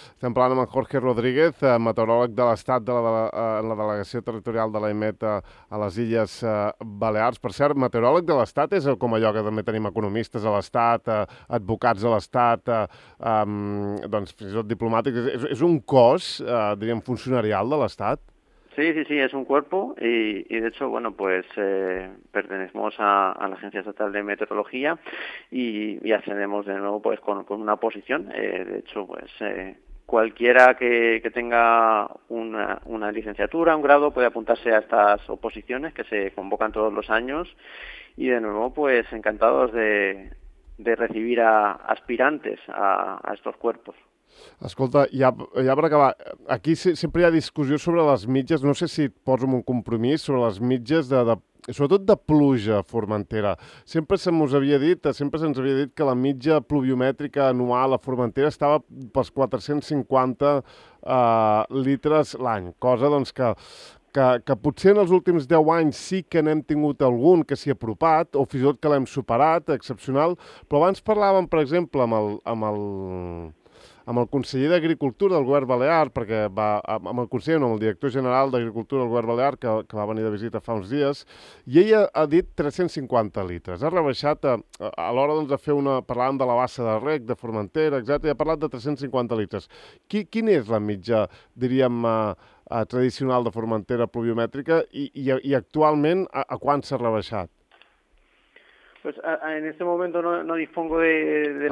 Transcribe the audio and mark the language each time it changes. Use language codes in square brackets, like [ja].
[ca] Estem parlant amb en Jorge Rodríguez, meteoròleg de l'Estat en la delegació territorial de l'AEMET a les Illes Balears. Per cert, meteoròleg de l'Estat és com allò que també tenim economistes a l'Estat, advocats a l'Estat, doncs fins i tot diplomàtics. És un cos, diríem, funcionarial de l'Estat? [es] Sí, es un cuerpo y de hecho, bueno, pues pertenecemos a la Agencia Estatal de Meteorología y accedemos de nuevo pues con una posición. De hecho, pues cualquiera que tenga una licenciatura, un grado, puede apuntarse a estas oposiciones que se convocan todos los años y de nuevo, pues encantados de recibir a aspirantes a estos cuerpos. [ca] Escolta, ja per acabar, aquí sempre hi ha discussió sobre les mitges, no sé si et poso en un compromís sobre les mitges, sobretot de pluja a Formentera. Sempre se'ns havia dit que la mitja pluviomètrica anual a Formentera estava pels 450 litres l'any, cosa doncs que potser en els últims 10 anys sí que n'hem tingut algun que s'hi ha apropat, o fins i tot que l'hem superat, excepcional, però abans parlàvem, per exemple, amb el conseller d'Agricultura del Govern Balear, perquè va amb el conseller, no, amb el director general d'Agricultura del Govern Balear, que va venir de visita fa uns dies, i ell ha dit 350 litres. Ha rebaixat, a l'hora doncs, de fer una... Parlàvem de la bassa de reg, de Formentera, exacte, i ha parlat de 350 litres. Quina és la mitja, diríem, tradicional de Formentera pluviomètrica i actualment a quant s'ha rebaixat? [es] Pues en este momento no dispongo de los